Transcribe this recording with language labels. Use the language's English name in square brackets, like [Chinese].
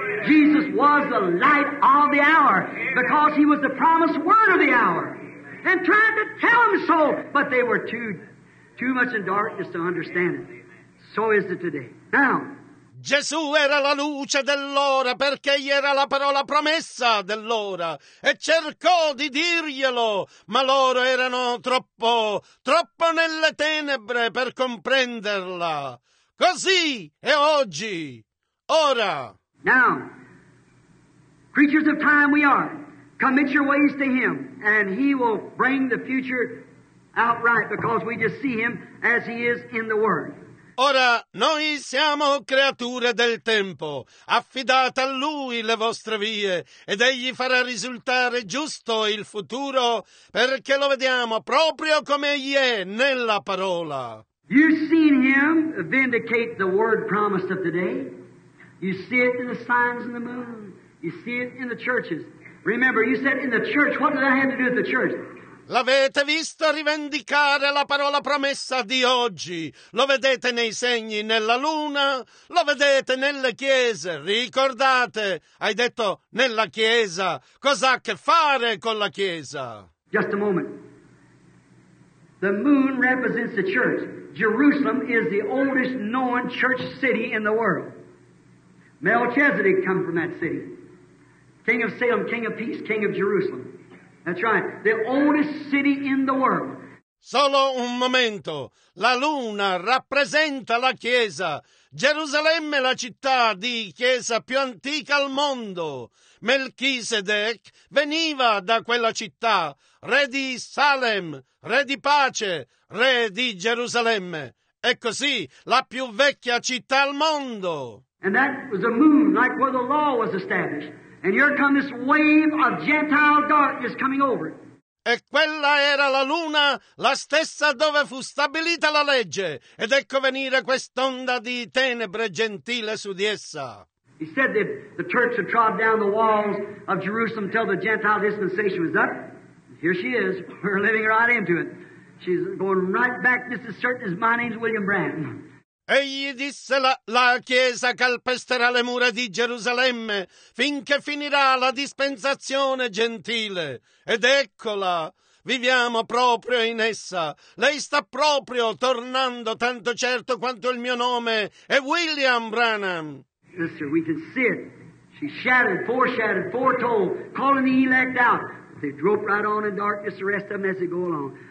[English] Jesus was the light of the hour because he was the promised word of the hour. And tried to tell them so, but they were too much in darkness to understand it. So is it today. Now, [Italian] Gesù era la luce dell'ora perché egli era la parola promessa dell'ora e cercò di dirglielo, ma loro erano troppo nelle tenebre per comprenderla. Così è oggi, ora. [English] Now, creatures of time we are, commit your ways to him and he will bring the future outright because we just see him as he is in the word. [Italian] Ora, noi siamo creature del tempo. Affidate a Lui le vostre vie, ed Egli farà risultare giusto il futuro, perché lo vediamo proprio come Egli è nella parola. [English] You've seen Him vindicate the word promised of today. You see it in the signs in the moon. You see it in the churches. Remember, you said in the church, what did that have to do with the church? [Italian] L'avete visto rivendicare la parola promessa di oggi. Lo vedete nei segni nella luna, lo vedete nelle chiese. Ricordate, hai detto nella chiesa. Cosa ha a che fare con la chiesa? [English] Just a moment. The moon represents the church. Jerusalem is the oldest known church city in the world. Melchizedek come from that city. King of Salem, King of Peace, King of Jerusalem. That's right, the oldest city in the world. [Italian] Solo un momento. La luna rappresenta la chiesa. Gerusalemme è la città di chiesa più antica al mondo. Melchisedec veniva da quella città, re di Salem, re di pace, re di Gerusalemme. È così, la più vecchia città al mondo. [English] And that was a moon, like where the law was established. And here comes this wave of Gentile darkness coming over. [Italian] E quella era la luna, la stessa dove fu stabilita la legge. Ed ecco venire quest'onda di tenebre gentile su di essa. [English] He said that the Turks had trod down the walls of Jerusalem until the Gentile dispensation was up. Here she is. We're living right into it. She's going right back. This is certain as my name's William Branham. [Italian] Egli disse la chiesa calpesterà le mura di Gerusalemme finché finirà la dispensazione gentile. Ed eccola, viviamo proprio in essa. Lei sta proprio tornando, tanto certo quanto il mio nome è William Branham. [English] Sister, we can see it. She shattered, foretold, calling the elect out. They drove right on in darkness, the rest of them as they go along.